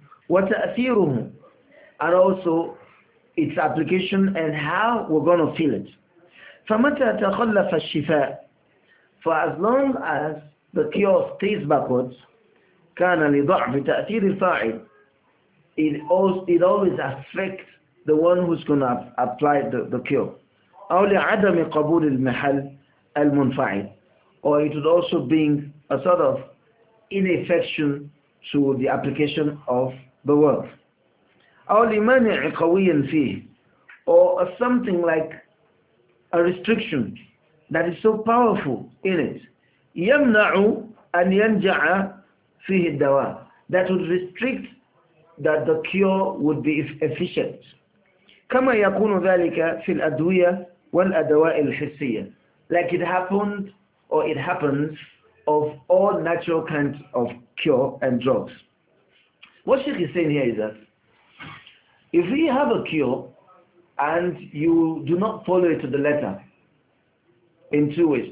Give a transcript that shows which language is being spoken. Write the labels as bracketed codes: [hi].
[ar] وتأثيره [en] and also its application and how we're going to feel it. [ar] فمتى تخلف الشفاء؟ [en] For as long as the cure stays backwards, [ar] كان لضعف تأثير الفاعل. [en] It always affects the one who's going to apply the cure. [ar] أو لعدم قبول المحل المنفعل. [en] Or it would also being a sort of ineffection to the application of the word. [ar] أو لمنع قوي فيه. [en] Or something like a restriction that is so powerful in it. [ar] يمنع أن ينجع فيه الدواء. [en] That would restrict that the cure would be efficient. [ar] كما يكون ذلك في الأدوية والأدواء الحسية. [en] Like it happened or it happens of all natural kinds of cure and drugs. What Sheikh is saying here is that if we have a cure and you do not follow it to the letter in two ways.